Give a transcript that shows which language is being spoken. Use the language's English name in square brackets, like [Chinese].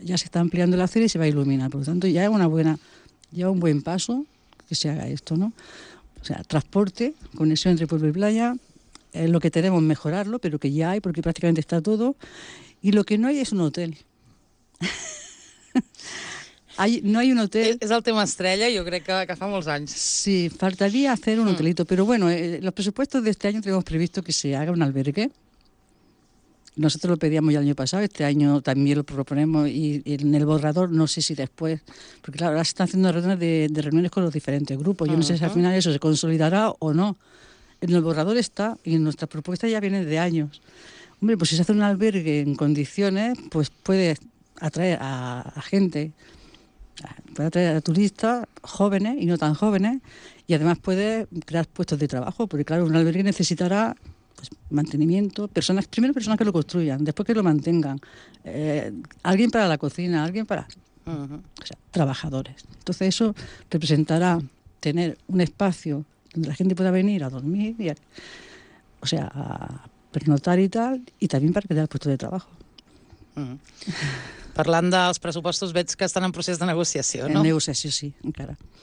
[Spanish] Ya se está ampliando la acera y se va a iluminar. Por lo tanto, ya es una buena. Ya un buen paso que se haga esto, ¿no? O sea, transporte, conexión entre pueblo y playa, es lo que tenemos, mejorarlo, pero que ya hay, porque prácticamente está todo. Y lo que no hay es un hotel. No hay un hotel. [Catalan] És el tema estrella, jo crec que fa molts anys. [Spanish] Sí, faltaria hacer un hotelito, però bueno, los presupuestos de este año tenemos previsto que se haga un albergue. Nosotros lo pedíamos ya el año pasado, este año también lo proponemos y en el borrador, no sé si después, porque claro, ahora se están haciendo reuniones de reuniones con los diferentes grupos, yo no sé si al final eso se consolidará o no. En el borrador está y en nuestra propuesta ya viene de años. Hombre, pues si se hace un albergue en condiciones, pues puede atraer a gente, puede atraer a turistas jóvenes y no tan jóvenes y además puede crear puestos de trabajo, porque claro, un albergue necesitará mantenimiento, personas, primero personas que lo construyan, después que lo mantengan, alguien para la cocina, alguien para o sea, trabajadores. Entonces eso representará tener un espacio donde la gente pueda venir a dormir y o sea, a pernotar y tal, y también para crear puestos de trabajo. [Catalan] Parlant dels pressupostos, veig que estan en procés de negociació, no? En negociació, sí, encara.